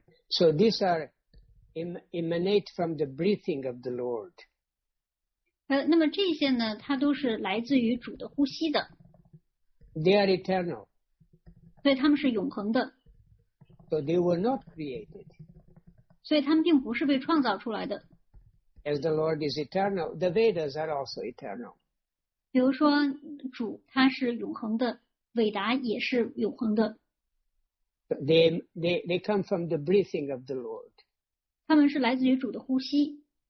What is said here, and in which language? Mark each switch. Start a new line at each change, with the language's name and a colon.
English: So these are emanate from the breathing of the Lord.
Chinese: 那么这些呢，它都是来自于主的呼吸的。
English: They are eternal.
Chinese: 所以他们是永恒的。
English: So they were not created.
Chinese: 所以他们并不是被创造出来的。
English: As the Lord is eternal, the Vedas are also eternal.
Chinese: 比如说主他是永恒的，伟达也是永恒的。
English: They come from the breathing of the Lord.
Chinese: 他们是来自于主的呼吸。